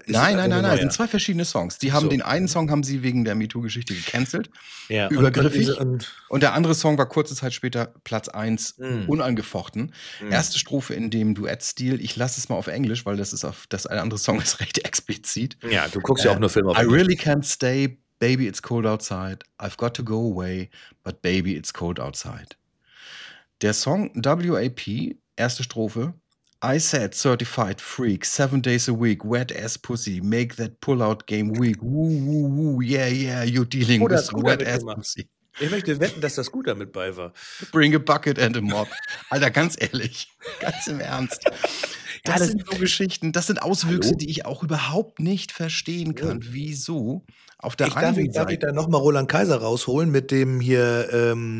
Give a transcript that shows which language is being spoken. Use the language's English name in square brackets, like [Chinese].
[German] ist nein, sind zwei verschiedene Songs. Den einen Song haben sie wegen der MeToo-Geschichte gecancelt, übergriffig. Und der andere Song war kurze Zeit später Platz 1, unangefochten. Mm. Erste Strophe in dem Duett-Stil. Ich lasse es mal auf Englisch, weil das andere Song ist recht explizit. Ja, du guckst ja auch nur Filme auf Englisch. [English] I really can't stay, baby, it's cold outside. I've got to go away, but baby, it's cold outside. [German] Der Song WAP, erste Strophe. [English] I said certified freak, 7 days a week, wet ass pussy, make that pull-out game weak. Woo, woo, woo, yeah, yeah, you're dealing with wet ass pussy. [German] Ich möchte wetten, dass das gut damit bei war. [English] Bring a bucket and a mop. [German] Alter, ganz ehrlich, ganz im Ernst. Das sind so Geschichten, das sind Auswüchse, die ich auch überhaupt nicht verstehen kann. Ja. Wieso? Auf der einen Seite. Darf ich da nochmal Roland Kaiser rausholen mit dem hier,